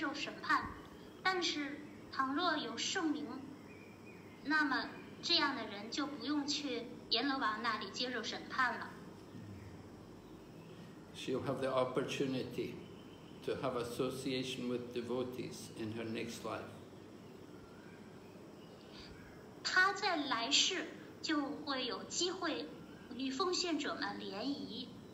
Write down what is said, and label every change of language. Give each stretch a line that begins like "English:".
Chinese: 通常就是每一个人都会临终之后都要去阎罗王那里接受审判，但是。倘若有圣明，那么这样的人就不用去阎罗王那里接受审判了。She'll
English: have the opportunity to have association with devotees in her next life.
Chinese: 她在来世就会有机会与奉献者们联谊。